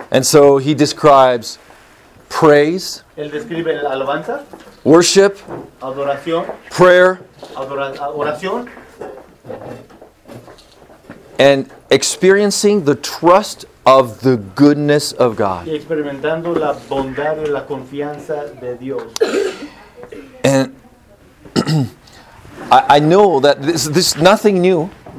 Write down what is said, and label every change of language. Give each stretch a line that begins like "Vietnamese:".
English: And so he describes praise,
Spanish: él describe la alabanza,
English: worship,
Spanish: adoración,
English: prayer,
Spanish: oración,
English: and experiencing the trust of the goodness of God.
Spanish: Y experimentando la bondad y la confianza de Dios.
English: And I know that this is nothing new.